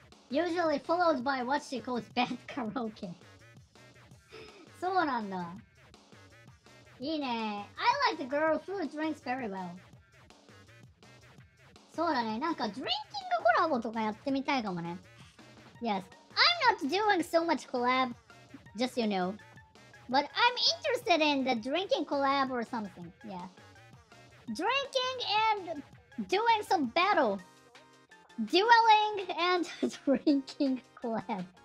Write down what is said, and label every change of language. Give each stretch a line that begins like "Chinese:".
English: Usually followed by what she calls bad karaoke.
Japanese: そうなんだ。いいね。
English: I like the girl who drinks very well.
Japanese: そうだね。なんか、ドリンキングコラボとかやってみたいかもね。
English: Yes. I'm not doing so much collab, just you know. But I'm interested in the drinking collab or something. Yeah. Drinking and doing some battle. Dueling and drinking collab.